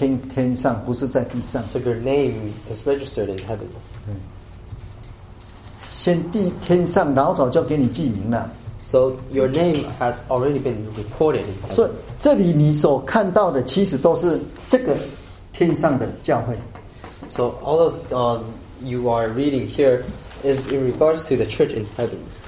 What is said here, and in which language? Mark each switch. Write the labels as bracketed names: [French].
[Chinese] 你的名字是记在天上，不是在地上。 [English] So your name is registered in heaven. [Chinese] 先地天上老早就给你记名了。 [English] So your name has already been recorded in heaven. [Chinese] 所以这里你所看到的其实都是这个天上的教会。 [English] So all of you are reading here is in regards to the church in heaven.